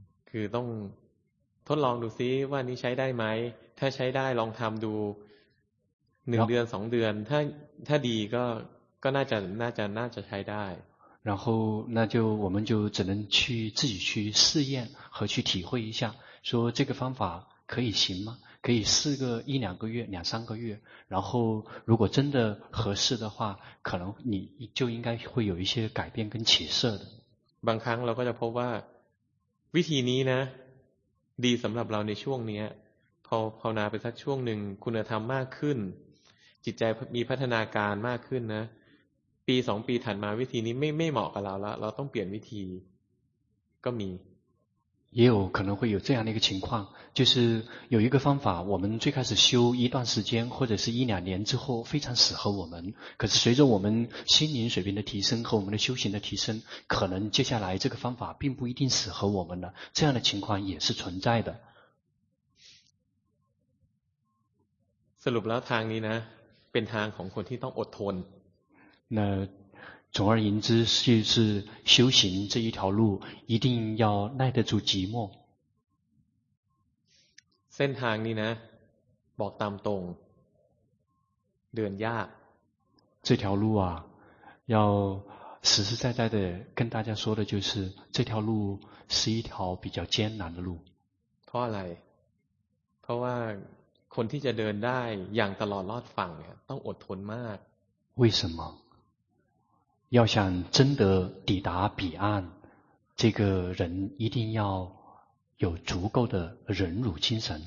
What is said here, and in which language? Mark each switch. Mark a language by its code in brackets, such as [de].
[th] คือต้องทดลองดูซิว่านี้ใช้ได้ไหมถ้าใช้ได้ลองทำดู1เดือน2เดือนถ้าดีก็น่าจะใช้ได้ [zh] 然后那就我们就只能去自己去试验和去体会一下，说这个方法可以行吗？可以试个一两个月、两三个月，然后如果真的合适的话，可能你就应该会有一些改变跟起色的。 [th] บางครั้งเราก็จะพบว่าวิธีนี้นะดีสำหรับเราในช่วงนี้พอภาวนาไปสักช่วงหนึ่งคุณธรรมมากขึ้นจิตใจมีพัฒนาการมากขึ้นนะปี2ปีถัดมาวิธีนี้ไม่เหมาะกับเราแล้วเราต้องเปลี่ยนวิธีก็มี [zh] 也有可能会有这样的一个情况，就是有一个方法，我们最开始修一段时间或者是一两年之后非常适合我们，可是随着我们心灵水平的提升和我们的修行的提升，可能接下来这个方法并不一定适合我们了，这样的情况也是存在的。 [th] สรุปแล้วทางนี้นะเป็นทางของคนที่ต้องอดทน [zh] 那总而言之就是修行这一条路一定要耐得住寂寞。 [th] เส้นทางนี้นะบอกตามตรงเดินยาก [zh] 这条路啊要实实在在的跟大家说的就是这条路是一条比较艰难的路。 [th] เพราะอะไรเพราะว่าคนที่จะเดินได้อย่างตลอดรอดฝั่งเนี่ยต้องอดทนมาก [zh] 为什么要想真的抵达彼岸，这个人一定要有足够的忍辱精神。